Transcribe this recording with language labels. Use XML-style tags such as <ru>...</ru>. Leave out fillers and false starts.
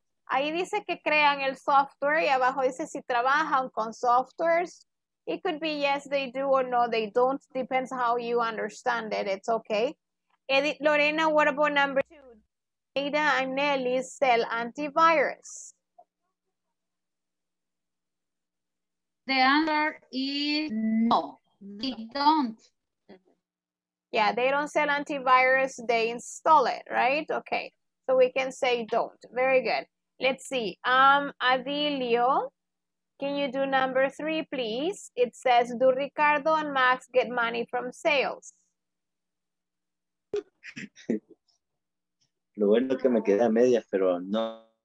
<es>Ahí dice que crean el software y abajo dice si trabajan con softwares.</es> <en>It could be yes, they do or no, they don't. Depends how you understand it. It's okay. Edith, Lorena, what about number two? Ada and Nelly sell antivirus. The answer is no, they don't. Yeah, they don't sell antivirus, they install it, right? Okay, so we can say don't. Very good. Let's see. Adilio, can you do number three, please? It says, do Ricardo and Max get money from sales?</en> <es>Lo bueno que me quedé a medias, pero no.</es>